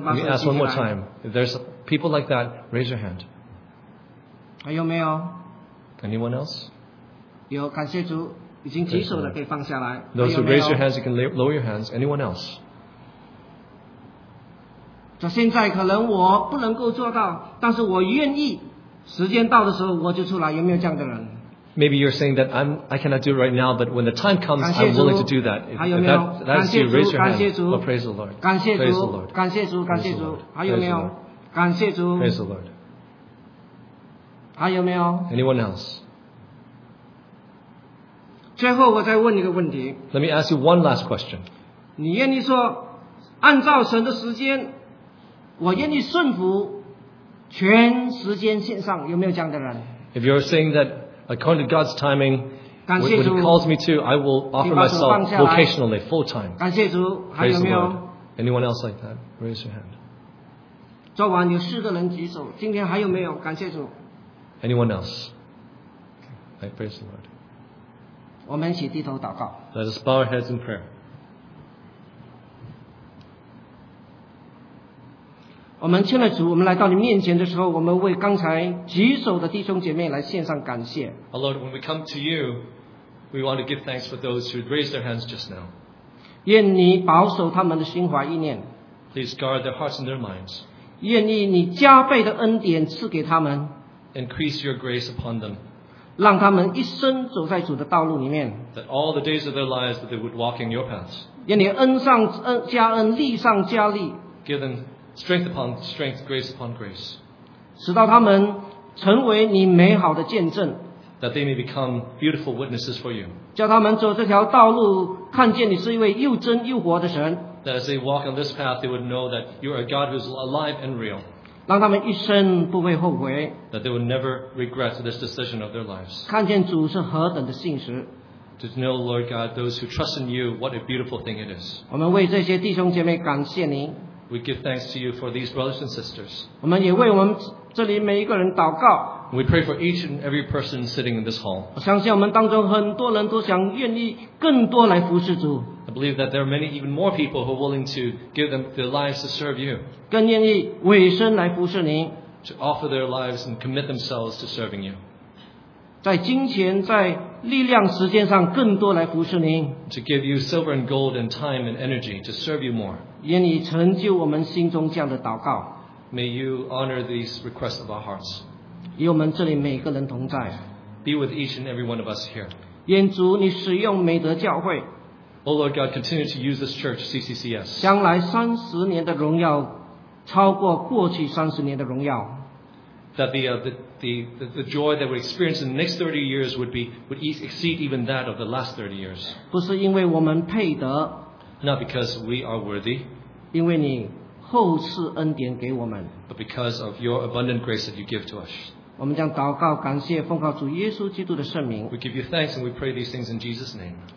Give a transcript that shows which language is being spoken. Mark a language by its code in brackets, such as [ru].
[en] You ask one more time. If there's people like that, raise your hand. [zh] 还有没有 [en] ？Anyone else？ [zh] 有，感谢主，已经举手的可以放下来。 [en] Those who raise your hands, you can lower your hands. Anyone else？ [zh] 这现在可能我不能够做到，但是我愿意。时间到的时候我就出来，有没有这样的人 [en] ？Maybe you're saying that I cannot do it right now, but when the time comes, I'm willing to do that. If, [zh] 还有没有？ [en] That's you, raise your hand. Praise the Lord. Praise the Lord. [zh] 感谢主，感谢主，感谢主。还有没有？感谢主。 [en] Praise the Lord. [zh] 还有没有 [en] ？Anyone else? [zh] 最后我再问一个问题。 [en] Let me ask you one last question. [zh] 你愿意说，按照神的时间，我愿意顺服。全时间线上有没有这样的人 [en] ？If you're saying that according to God's timing, when He calls me to, I will offer myself vocationally, full time. [zh] 感谢主，还有没有 [en] ？Anyone else like that? Raise your hand. [zh] 昨晚有四个人举手，今天还有没有？感谢主。 [en] Anyone else? I praise the Lord. [zh] 我们一起低头祷告。 [en] Let us bow our heads in prayer. [zh] 我们亲爱的主，我们来到你面前的时候，我们为刚才举手的弟兄姐妹来献上感谢。 [en] Our Lord, when we come to you, we want to give thanks for those who raised their hands just now. [zh] 愿你保守他们的心怀意念。 [en] Please guard their hearts and their minds. [zh] 愿意你加倍的恩典赐给他们。 [en] Increase your grace upon them. [zh] 让他们一生走在主的道路里面。 [en] That all the days of their lives that they would walk in your paths. [zh] 愿你恩上恩加恩，力上加力。 [en] Give them. Strength upon strength, grace upon grace. [zh] 使到他们成为你美好的见证。 [en] That they may become beautiful witnesses for you. [zh] 叫他们走这条道路，看见你是一位又真又活的神。 [en] That as they walk on this path, they would know that you are a God who is alive and real. [zh] 让他们一生不会后悔。 [en] That they will never regret this decision of their lives. [zh] 看见主是何等的信实。 [en] To know, Lord God, those who trust in you, what a beautiful thing it is. [zh] 我们为这些弟兄姐妹感谢您。 [en] We give thanks to you for these brothers and sisters. [zh] 我们也为我们这里每一个人祷告。 [en] We pray for each and every person sitting in this hall. [zh] 我相信我们当中很多人都想愿意更多来服侍主。 [en] I believe that there are many even more people who are willing to give them their lives to serve you. [zh] 更愿意委身来服侍您。 [en] To offer their lives and commit themselves to serving you. [zh] 在金钱、在力量、时间上更多来服侍您。 [en] To give you silver and gold and time and energy to serve you more. [zh] 愿你成就我们心中这样的祷告。 [en] May you honor these requests of our hearts. [zh] 与我们这里每个人同在。 [en] Be with each and every one of us here. [zh] 愿主你使用美德教会。 [en] O Lord God, continue to use this church, CCCS. [zh] 将来三十年的荣耀超过过去三十年的荣耀。 [en] That the joy that we experience in the next 30 years would exceed even that of the last 30 years. [zh] 不是因为我们配得。 [en] Not because we are worthy. [zh] 因为你厚赐恩典给我们。 [en] But because of your abundant grace that you give to us. [zh] 我们将祷告感谢奉靠主耶稣基督的圣名。 [en] We give you thanks and we pray these things in Jesus' name.